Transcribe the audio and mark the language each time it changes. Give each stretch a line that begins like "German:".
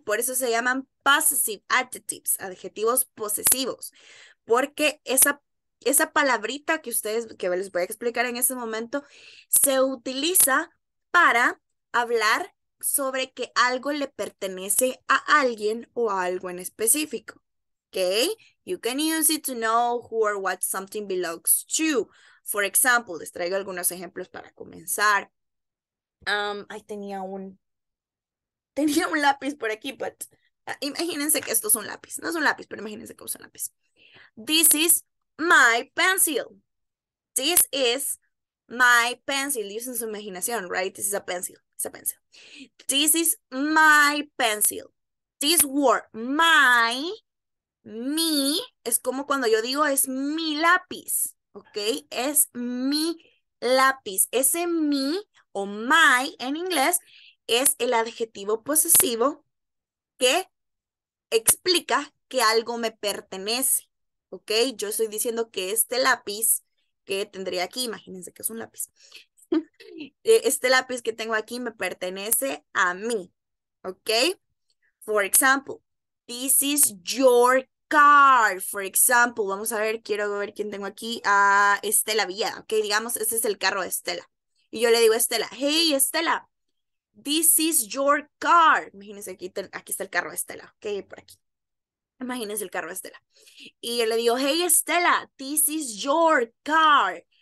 Spanish: Por eso se llaman possessive adjectives, adjetivos posesivos, porque esa palabrita que les voy a explicar en este momento, se utiliza para hablar sobre que algo le pertenece a alguien o a algo en específico, okay?
English: You can use it to know who or what something belongs to. For example,
Spanish: les traigo algunos ejemplos para comenzar. Tenía un lápiz por aquí, but imagínense que esto es un lápiz. No es un lápiz, pero imagínense que es un lápiz.
English: This is my pencil. This is my pencil, using
Spanish: su imaginación,
English: right? This is a pencil. It's a pencil. This is my pencil. This word, my, me,
Spanish: es como cuando yo digo es mi lápiz, ¿ok? Es mi lápiz. Ese mi o my en inglés es el adjetivo posesivo que explica que algo me pertenece, ¿ok? Yo estoy diciendo que este lápiz que tendría aquí, imagínense que es un lápiz. Este lápiz que tengo aquí me pertenece a mí, ¿ok?
English: For example, this is your car, for example.
Spanish: Vamos a ver, quiero ver quién tengo aquí. Estela Villa, ¿ok? Digamos, este es el carro de Estela. Y yo le digo a Estela, hey, Estela,
English: this is your car.
Spanish: Imagínense, aquí está el carro de Estela, ¿ok? Por aquí. Imagínense el carro de Estela. Y yo le digo, hey, Estela,
English: this is your car.